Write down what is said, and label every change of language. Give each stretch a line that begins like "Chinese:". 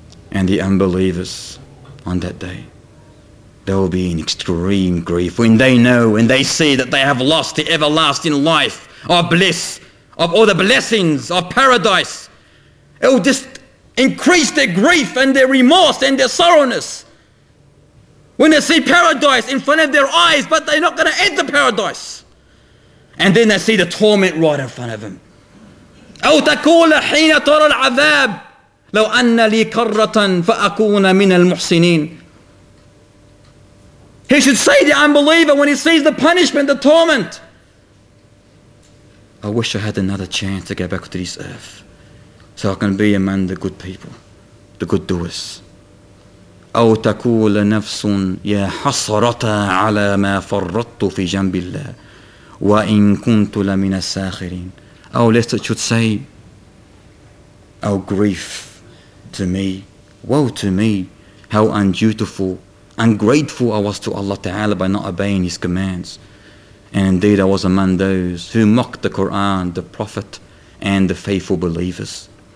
English: And the unbelievers on that day, they will be in extreme grief when they know, when they see that they have lost the everlasting life of bliss, of all the blessings of paradise. It will just increase their grief and their remorse and their sorrowness. When they see paradise in front of their eyes, but they're not going to enter paradise. And then they see the torment right in front of them.
Arabic: أو تقول حين ترى العذاب لو أن لي كرة فأكون من المحسنين.
English: He should say, the unbeliever, when he sees the punishment, the torment, I wish I had another chance to go back to this earth so I can be among the good people, the good doers.
Arabic: أو تقول نفس يا حسرة على ما فرطت في جنب الله وإن كنت لمن الساخرين.
English: Oh, lest it should say, oh, grief to me, woe to me, how undutiful, ungrateful I was to Allah Ta'ala by not obeying His commands. And indeed I was among those who mocked the Quran, the Prophet, and the faithful believers.